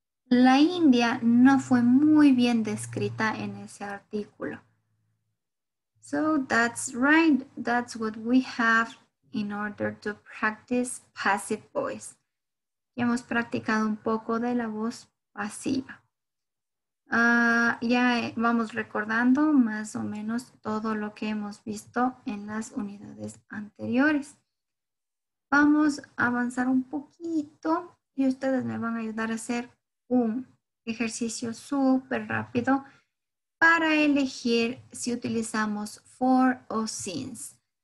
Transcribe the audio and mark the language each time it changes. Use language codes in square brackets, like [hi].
[es] La India no fue muy bien descrita en ese artículo. [en] So that's right. That's what we have in order to practice passive voice. [es] Y hemos practicado un poco de la voz pasiva. Ya vamos recordando más o menos todo lo que hemos visto en las unidades anteriores. Vamos a avanzar un poquito y ustedes me van a ayudar a hacer un ejercicio súper rápido para elegir si utilizamos for o since.